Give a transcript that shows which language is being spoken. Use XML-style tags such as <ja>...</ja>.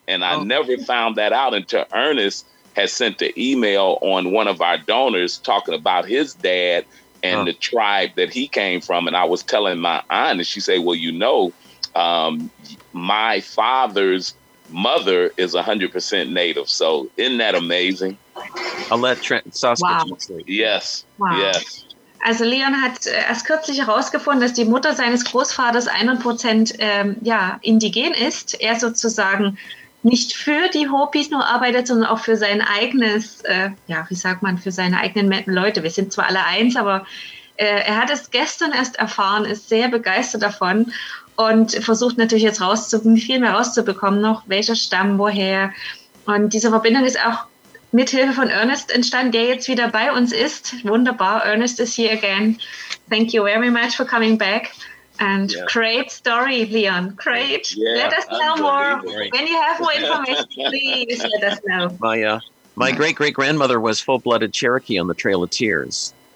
<en>And I never found that out until Ernest had sent an email on one of our donors talking about his dad and the tribe that he came from. And I was telling my aunt, and she said, well, you know, my father's mother is 100% Native. So isn't that amazing? I'll let Trent Sasquatch Yes. Wow. Yes.</en> <de>Also Leon hat erst kürzlich herausgefunden, dass die Mutter seines Großvaters 100% indigen ist. Er sozusagen nicht für die Hopis nur arbeitet, sondern auch für sein eigenes, für seine eigenen Leute. Wir sind zwar alle eins, aber er hat es gestern erst erfahren, ist sehr begeistert davon. Und versucht natürlich jetzt rauszubekommen noch, welcher Stamm, woher. Und diese Verbindung ist auch mit Hilfe von Ernest entstanden, der jetzt wieder bei uns ist. Wunderbar,</de> <en>Ernest is here again. Thank you very much for coming back. And great story, Leon. Great. Yeah, let us know more. When you have more information, please let us know. My great-great-grandmother was full-blooded Cherokee on the Trail of Tears.</en>